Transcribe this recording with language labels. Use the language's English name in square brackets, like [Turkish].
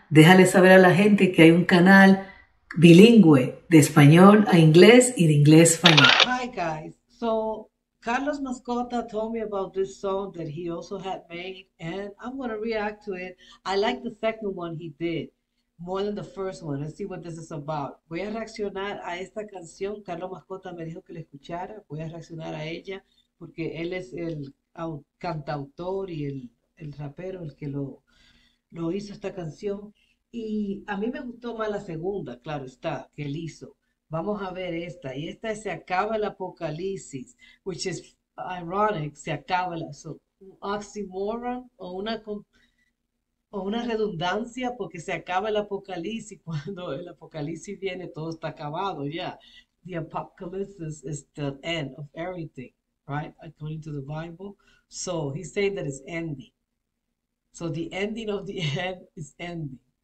[Spanish] Déjale saber a la gente que hay un canal bilingüe de español a inglés y de inglés a español. [English] Hi, guys. So, Carlos Mascota told me about this song that he also had made, and I'm going to react to it. I like the second one he did more than the first one. Let's see what this is about. [Spanish] Voy a reaccionar a esta canción. Carlos Mascota me dijo que la escuchara. Voy a reaccionar a ella porque él es el cantautor y el rapero el que lo hizo esta canción. Y a mí me gustó más la segunda, claro está, que él hizo. Vamos a ver esta. Y esta es Se Acaba el Apocalipsis, [English] which is ironic, [Spanish] se acaba la... [English] So, [Spanish] un oxymoron o una redundancia porque se acaba el apocalipsis. Cuando el apocalipsis viene, todo está acabado, ya. [English] Yeah. The apocalypse is the end of everything, right? According to the Bible. So he's saying that it's ending. So the ending of the end is ending.